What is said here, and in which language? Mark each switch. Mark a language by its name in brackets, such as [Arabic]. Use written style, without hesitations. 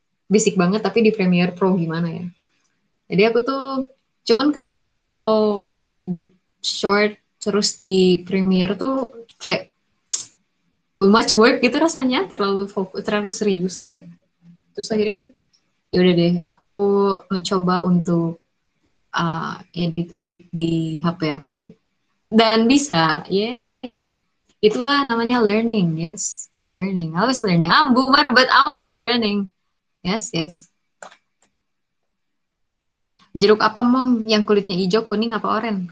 [Indonesian] Basic banget tapi di Premiere Pro gimana ya. Jadi aku tuh cuman kalau short terus di Premiere tuh kayak [English] too much work [Indonesian] gitu rasanya, terlalu fokus, terlalu serius. Terus akhirnya yaudah deh aku mencoba untuk edit di HP dan bisa ya. [English] Yeah. [Indonesian] Itulah namanya [English] learning. Yes, learning. I always learning. I'm boomer but I'm learning. Yes. [Indonesian] Jeruk apa mom yang kulitnya hijau, kuning apa oren?